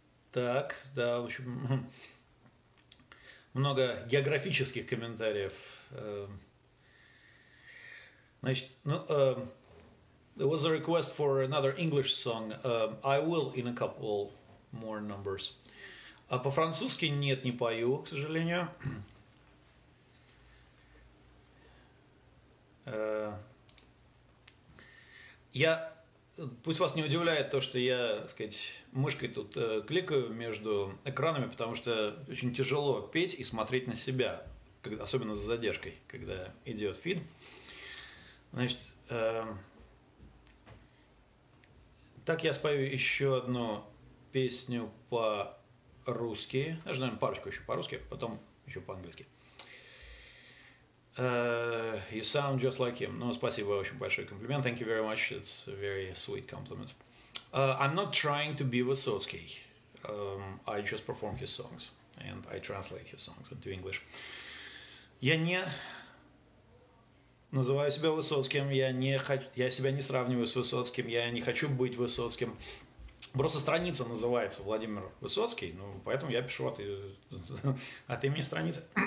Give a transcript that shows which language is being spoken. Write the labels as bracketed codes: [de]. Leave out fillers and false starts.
[ru] Так, да, в общем, много географических комментариев. Значит, ну, [en] there was a request for another English song. I will in a couple more numbers. [ru] А по-французски нет, не пою, к сожалению. Я, пусть вас не удивляет то, что я, так сказать, мышкой тут кликаю между экранами, потому что очень тяжело петь и смотреть на себя, особенно с задержкой, когда идет фильм. Значит, так я спою еще одну песню по... русские, даже, наверное, парочку еще по-русски, потом еще по-английски. [en] You sound just like him. [ru] Ну, спасибо, очень большой комплимент. [en] Thank you very much. It's a very sweet compliment. I'm not trying to be Высоцкий. I just perform his songs. And I translate his songs into English. [ru] Я не называю себя Высоцким. Я себя не сравниваю с Высоцким. Я не хочу быть Высоцким. Просто страница называется Владимир Высоцкий. Ну, поэтому я пишу от имени страницы.